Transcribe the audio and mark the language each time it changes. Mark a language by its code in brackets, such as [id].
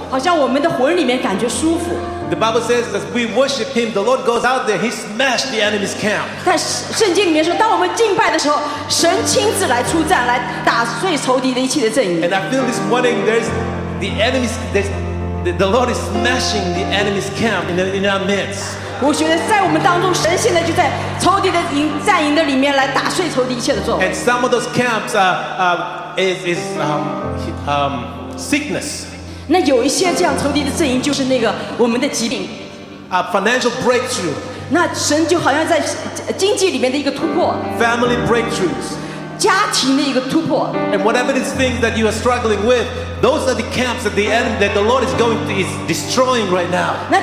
[en] The Bible says that we worship Him, the Lord goes out there, He smashed the enemy's camp. And I feel this morning the Lord is smashing the enemy's camp in our midst. [zh] 我觉得在我们当中，神现在就在仇敌的营，在营的里面来打碎仇敌一切的咒。 [en] And some of those camps are sickness. [zh] 那有一些这样仇敌的阵营，就是那个我们的疾病。 [en] A financial breakthrough. [zh] 那神就好像在经济里面的一个突破。 [en] Family breakthroughs. [zh] 家庭的一个突破。 [en] And whatever these things that you are struggling with, those are the camps at the end that the Lord is going to is destroying right now.